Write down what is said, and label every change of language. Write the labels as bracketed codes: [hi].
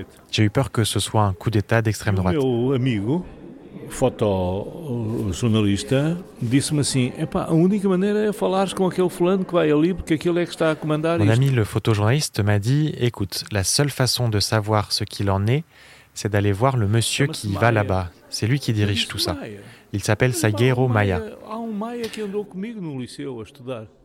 [fr] J'ai eu peur que ce soit un coup d'État d'extrême droite. [pt] Meu amigo, foto jornalista, disse-me assim: "Epá, a única maneira é falares com aquele fulano que vai ali, porque aquele é que está a comandar isto." [fr] Mon ami, le photojournaliste, m'a dit: "Écoute, la seule façon de savoir ce qu'il en est, c'est d'aller voir le monsieur qui va là-bas. C'est lui qui dirige tout ça. Il s'appelle Sagueiro Maia." [pt] Há um Maia que andou comigo no liceu a estudar.